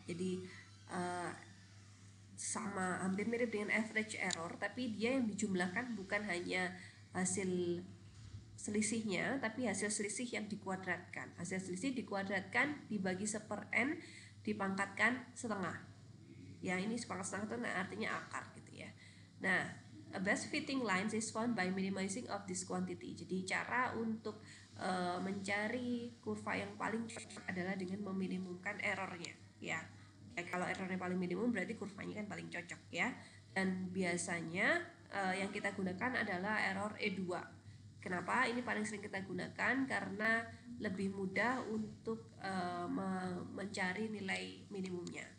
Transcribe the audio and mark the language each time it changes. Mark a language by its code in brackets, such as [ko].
[id] Jadi sama hampir mirip dengan average error, tapi dia yang dijumlahkan bukan hanya hasil selisihnya, tapi hasil selisih yang dikuadratkan. Hasil selisih dikuadratkan dibagi seper n dipangkatkan setengah. Ya, ini pangkat setengah itu artinya akar gitu ya. [en] Nah, a best fitting line is found by minimizing of this quantity. [id] Jadi cara untuk mencari kurva yang paling cocok adalah dengan meminimumkan errornya ya. Kayak kalau errornya paling minimum berarti kurvanya kan paling cocok ya. Dan biasanya yang kita gunakan adalah error E2. Kenapa ini paling sering kita gunakan? Karena lebih mudah untuk mencari nilai minimumnya.